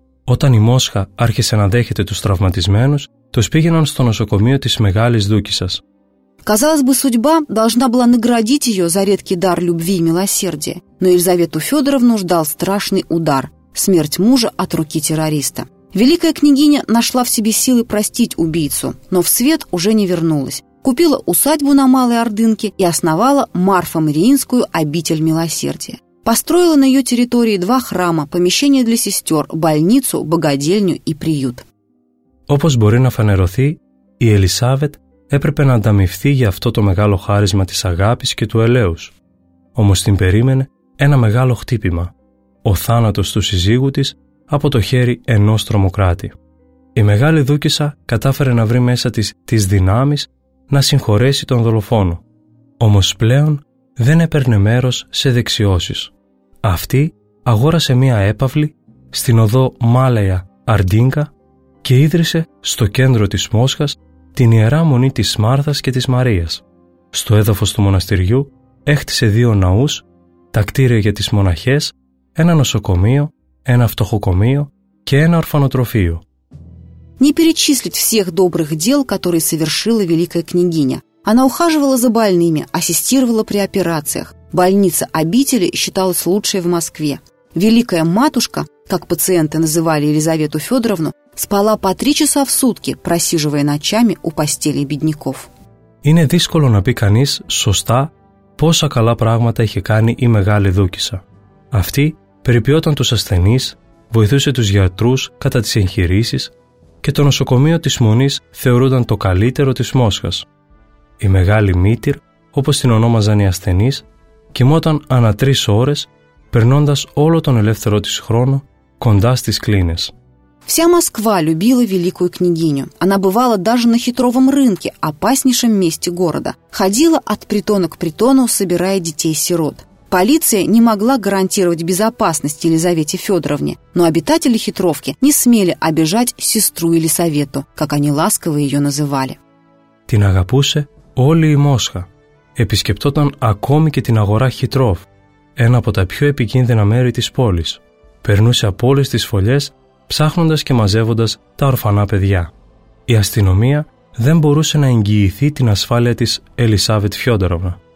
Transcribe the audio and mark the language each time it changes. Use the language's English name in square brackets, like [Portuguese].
[Greek] Όταν η Μόσχα άρχισε να δέχεται τους τραυματισμένους, τους πήγαιναν στο νοσοκομείο της μεγάλης δούκισσας. [Russian] Казалось бы, судьба должна была наградить ее за редкий дар любви и милосердия, но Елизавету Федоровну ждал страшный удар – смерть мужа от руки террориста. Великая княгиня нашла в себе силы простить убийцу, но в свет уже не вернулась. Купила усадьбу на Малой Ордынке и основала Марфо-Мариинскую обитель милосердия. Построила на ее территории два храма, помещение для сестер, больницу, богадельню и приют. [Greek] Όπως μπορεί να φανερωθεί, η Ελισάβετ έπρεπε να ανταμυφθεί για αυτό το μεγάλο χάρισμα της αγάπης και του ελέους. Όμως την περίμενε ένα μεγάλο χτύπημα, ο θάνατος του σύζυγου της από το χέρι ενός τρομοκράτη. Η μεγάλη δούκισσα κατάφερε να βρει μέσα της τις δυνάμεις να συγχωρέσει τον δολοφόνο. Όμως πλέον δεν έπαιρνε μέρος σε δεξιώσεις. Αυτή αγόρασε μία έπαυλη στην οδό Μάλαια Αρντίνκα και ίδρυσε στο κέντρο της Μόσχας την Ιερά Μονή της Μάρθας και της Μαρίας. Στο έδαφος του μοναστηριού έχτισε δύο ναούς, τα κτίρια για τις μοναχές, ένα νοσοκομείο, ένα φτωχοκομείο και ένα ορφανοτροφείο. [Russian] Не перечислить всех добрых дел, которые совершила великая княгиня. Она ухаживала за больными, ассистировала при операциях. Больница обители считалась лучшей в Москве. Великая матушка, как пациенты называли Елизавету Федоровну, спала по 3 часа в сутки, просиживая ночами у постели бедняков. [Greek] Είναι δύσκολο να πει κανείς σωστά πόσα καλά πράγματα είχε κάνει η μεγάλη δούκισσα. Αυτή περιποιόταν τους ασθενείς, βοηθούσε τους γιατρούς κατά τις εγχειρήσεις και το νοσοκομείο της Μονής θεωρούνταν το καλύτερο της Μόσχας. Η μεγάλη μήτυρ, όπως την ονόμαζαν οι ασθενείς, κοιμόταν ανά 3 ώρες, περνώντας όλο τον ελεύθερο της χρόνο κοντά στις κλίνες. [Russian] Вся Москва любила великую княгиню. Она бывала даже на хитровом рынке, опаснейшем месте города. Ходила от притона к притону, собирая детей-сирот. Полиция не могла гарантировать безопасность Елизавете Федоровне, но обитатели хитровки не смели обижать сестру Елисавету, как они ласково ее называли. [Greek] Την αγαπούσε όλη η Μόσχα. Επισκεπτόταν ακόμη και την αγορά Χιτρόφ, ένα από τα πιο επικίνδυνα μέρη της πόλης. Περνούσε από όλες τις φωλιές, ψάχνοντας και μαζεύοντας τα ορφανά παιδιά. Η αστυνομία δεν μπορούσε να εγγυηθεί την ασφάλεια της Ελισάβετ Φιόντοροβνα.